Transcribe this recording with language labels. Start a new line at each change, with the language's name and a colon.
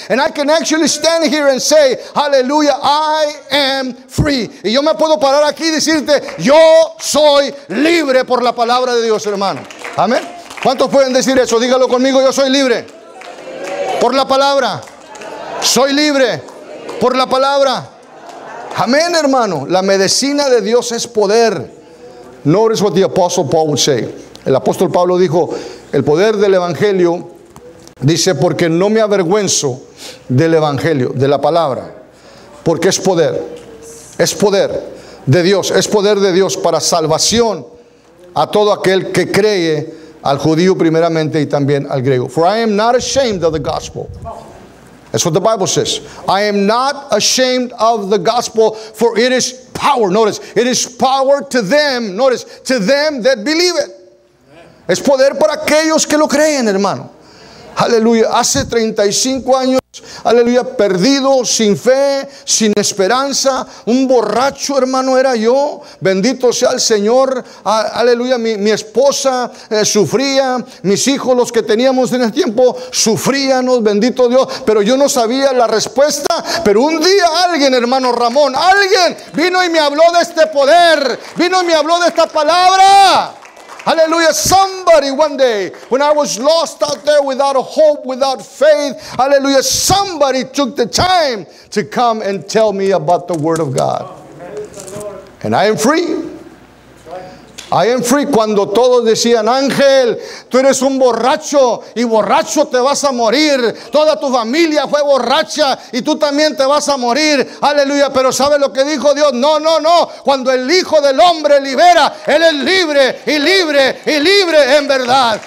English: And I can actually stand here and say, aleluya, I am free.
Spanish: Y yo me puedo parar aquí y decirte, yo soy libre por la palabra de Dios, hermano. Amén. ¿Cuántos pueden decir eso? Dígalo conmigo, yo soy libre. Por la palabra. Soy libre por la palabra. Amén, hermano. La medicina de Dios es poder.
English: Notice what the apostle Paul would say.
Spanish: El apóstol Pablo dijo, el poder del evangelio, dice, porque no me avergüenzo del evangelio, de la palabra, porque es poder. Es poder de Dios. Es poder de Dios para salvación a todo aquel que cree, al judío primeramente y también al griego.
English: For I am not ashamed of the gospel. That's what the Bible says. I am not ashamed of the gospel, for it is power. Notice, it is power to them. Notice, to them that believe it.
Spanish: Es poder para aquellos que lo creen, hermano. Aleluya. Hace 35 años, aleluya, perdido, sin fe, sin esperanza, un borracho, hermano, era yo. Bendito sea el Señor, aleluya. Mi esposa sufría, mis hijos, los que teníamos en el tiempo, sufríanos, bendito Dios, pero yo no sabía la respuesta. Pero un día alguien, hermano Ramón, alguien vino y me habló de este poder, vino y me habló de esta palabra.
English: Hallelujah, somebody one day, when I was lost out there without a hope, without faith, hallelujah, somebody took the time to come and tell me about the word of God. And I am free. I am free.
Spanish: Cuando todos decían, Ángel, tú eres un borracho y borracho te vas a morir. Toda tu familia fue borracha y tú también te vas a morir. Aleluya. Pero ¿sabe lo que dijo Dios? No, no, no. Cuando el Hijo del Hombre libera, Él es libre y libre y libre en verdad.